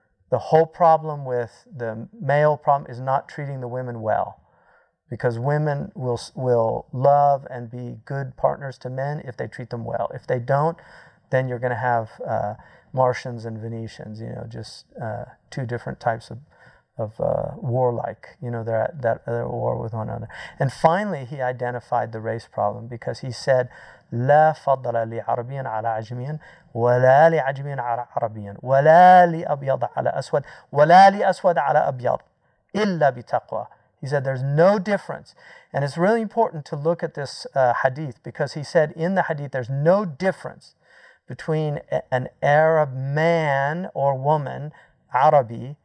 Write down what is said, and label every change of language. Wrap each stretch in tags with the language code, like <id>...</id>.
<en>The whole problem with the male problem is not treating the women well, because women will love and be good partners to men if they treat them well. If they don't, then you're going to have Martians and Venetians, you know, just two different types of warlike, you know, they're at war with one another. And finally, he identified the race problem, because he said,</en> <ar>لا فضل لعربي على عجمي ولا لعجمي على عربي ولا لأبيض على أسود ولا لأسود على أبيض إلا بتقوى.</ar> <en>He said there's no difference. And it's really important to look at this hadith, because he said in the hadith there's no difference between an Arab man or woman, Arabi.</en>